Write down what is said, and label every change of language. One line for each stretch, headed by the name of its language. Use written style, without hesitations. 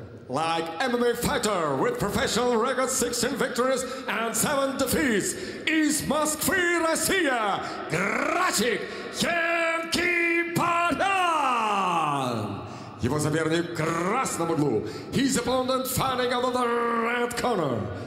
English: Like MMA fighter with professional record 16 victories and 7 defeats is Moscow, Russia, Grachik, Енгибарян.
Russian: Его соперник в красном углу.
English: His opponent fighting out of the red corner.